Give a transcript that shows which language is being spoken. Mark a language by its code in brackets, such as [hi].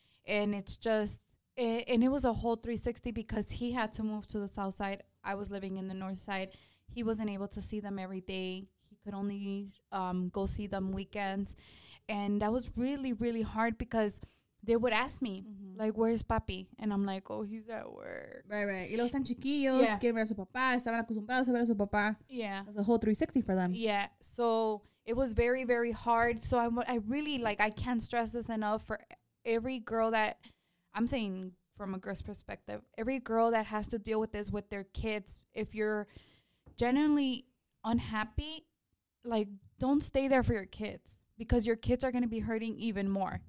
[en] And it's just, and it was a whole 360 because he had to move to the south side. I was living in the north side. He wasn't able to see them every day. He could only go see them weekends. And that was really, really hard because they would ask me, like, where's papi? And I'm like, oh, he's at work. [es] Right, right. Y los tan chiquillos, quieren ver a su papá, estaban acostumbrados a ver a su papá. [en] Yeah. It was a whole 360 for them. Yeah. So it was very, very hard. So I really, like, I can't stress this enough for every girl that, I'm saying from a girl's perspective, every girl that has to deal with this with their kids, if you're genuinely unhappy, like, don't stay there for your kids because your kids are going to be hurting even more.